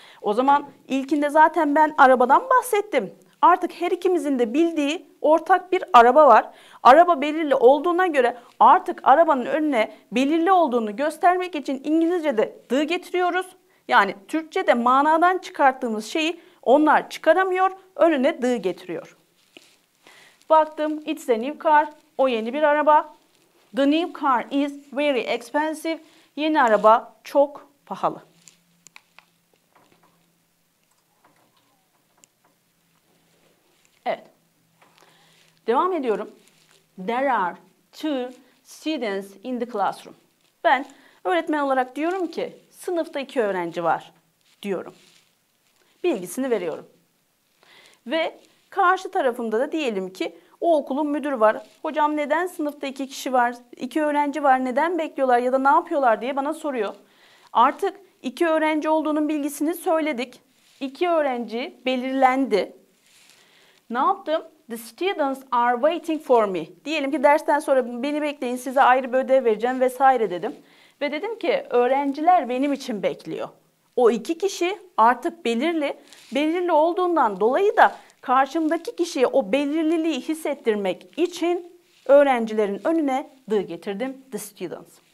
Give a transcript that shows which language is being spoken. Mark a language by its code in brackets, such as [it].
[tr] O zaman ilkinde zaten ben arabadan bahsettim. Artık her ikimizin de bildiği ortak bir araba var. Araba belirli olduğuna göre artık arabanın önüne belirli olduğunu göstermek için İngilizce'de the getiriyoruz. Yani Türkçe'de manadan çıkarttığımız şeyi onlar çıkaramıyor, önüne the getiriyor. Baktım, [en] it's a new car. [tr] O yeni bir araba. [en] The new car is very expensive. [tr] Yeni araba çok pahalı. Evet. Devam ediyorum. [en] There are two students in the classroom. [tr] Ben öğretmen olarak diyorum ki sınıfta iki öğrenci var diyorum. Bilgisini veriyorum. Ve karşı tarafımda da diyelim ki o okulun müdürü var. Hocam neden sınıfta iki kişi var, iki öğrenci var, neden bekliyorlar ya da ne yapıyorlar diye bana soruyor. Artık iki öğrenci olduğunun bilgisini söyledik. İki öğrenci belirlendi. Ne yaptım? [en] The students are waiting for me. [tr] Diyelim ki dersten sonra beni bekleyin, size ayrı bir ödev vereceğim vesaire dedim. Ve dedim ki öğrenciler benim için bekliyor. O iki kişi artık belirli. Belirli olduğundan dolayı da karşımdaki kişiye o belirliliği hissettirmek için öğrencilerin önüne the getirdim, the students.